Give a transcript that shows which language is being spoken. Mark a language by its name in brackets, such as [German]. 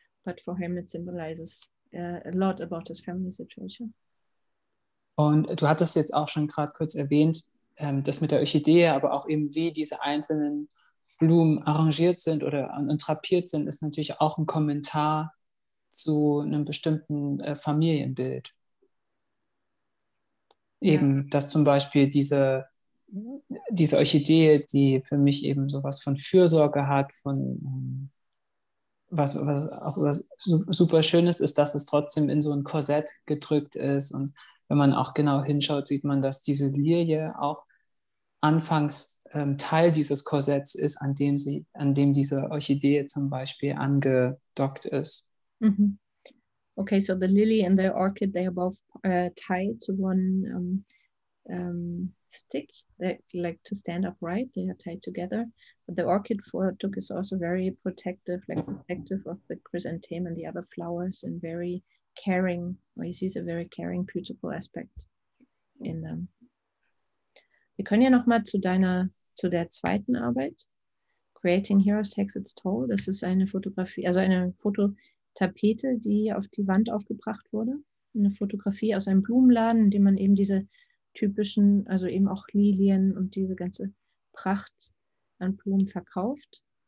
[English] But for him, it symbolizes a lot about his family situation. [German] Und du hattest jetzt auch schon gerade kurz erwähnt, das mit der Orchidee, aber auch eben wie diese einzelnen Blumen arrangiert sind oder und drapiert sind, ist natürlich auch ein Kommentar zu einem bestimmten Familienbild. Eben, ja. Dass zum Beispiel diese diese Orchidee, die für mich eben sowas von Fürsorge hat, von was auch was super schön ist, dass es trotzdem in so ein Korsett gedrückt ist. Und wenn man auch genau hinschaut, sieht man, dass diese Lilie auch anfangs Teil dieses Korsetts ist, an dem diese Orchidee zum Beispiel angedockt ist. Mm-hmm. [English] Okay, so the lily and the orchid, they are both tied to one stick, that like to stand upright, they are tied together. But the orchid took is also very protective, like protective of the chrysanthemum and the other flowers, and very caring. Well, he sees a very caring, beautiful aspect in them. [German] Wir können ja nochmal zu der zweiten Arbeit, Creating Heroes Takes Its Toll. Das ist eine Fotografie, also eine Fototapete, die auf die Wand aufgebracht wurde. Eine Fotografie aus einem Blumenladen, in dem man eben diese typischen, also eben auch Lilien und diese ganze Pracht an Blumen verkauft.